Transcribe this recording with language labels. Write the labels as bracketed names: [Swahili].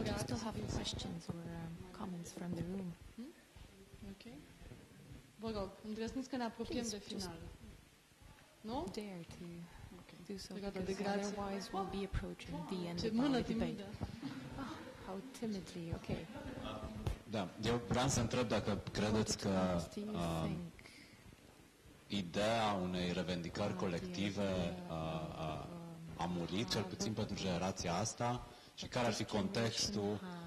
[English] I still have questions or comments from the room. Ok. [Romanian] Vă rog, îndrăzniți că ne apropiem de final. No? [English] Dare to do so, because otherwise we'll be approaching the end of our debate. How timidly, ok. [Romanian] Da, eu vreau să întreb dacă credeți că ideea unei revendicări colective a murit, cel puțin pentru generația asta, și care ar fi contextul